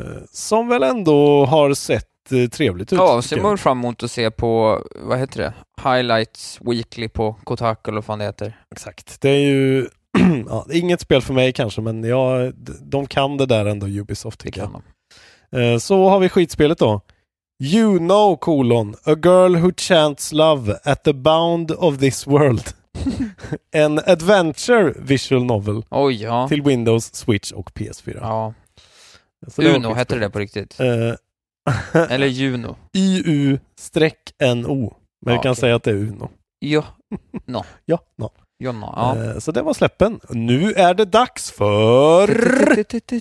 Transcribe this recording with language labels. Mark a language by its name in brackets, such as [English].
[Swedish] Som väl ändå har sett trevligt ut. Ja, ser man fram emot att se på, vad heter det? Highlights Weekly på Kotaku eller vad fan det heter. Exakt. Det är ju ja, inget spel för mig kanske, men ja, de kan det där ändå, Ubisoft, tycker jag. Så har vi skitspelet då. [English] You know, colon, a girl who chants love at the bound of this world. [Swedish] En adventure visual novel. Oh, ja. Till Windows, Switch och PS4. Ja. Så Uno det heter det på riktigt. Eller Juno. IU-NO. Men ja, jag kan okay. säga att det är Uno. Ja, no. Ja, no. Ja, no. Ja. Så det var släppen. Nu är det dags för...